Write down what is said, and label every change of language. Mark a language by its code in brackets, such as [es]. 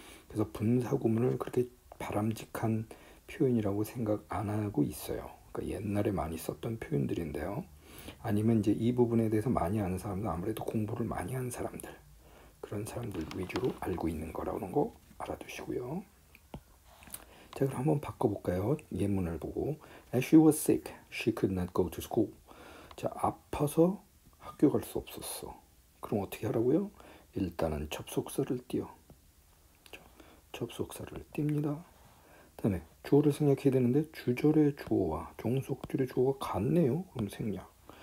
[ko] 그래서 분사 구문을 그렇게 바람직한 표현이라고 생각 안 하고 있어요. 그러니까 옛날에 많이 썼던 표현들인데요. 아니면 이제 이 부분에 대해서 많이 아는 사람들, 아무래도 공부를 많이 한 사람들. 그런 사람들 위주로 알고 있는 거라는 거 알아두시고요. 자, 그럼 한번 바꿔볼까요? 예문을 보고. [en] As she was sick, she could not go to school. [ko] 자, 아파서 학교 갈 수 없었어. 그럼 어떻게 하라고요? 일단은 접속사를 띄어. 자, 접속사를 띕니다. 다음에 주어를 생략해야 되는데 주절의 주어와 종속절의 주어가 같네요. 그럼 생략.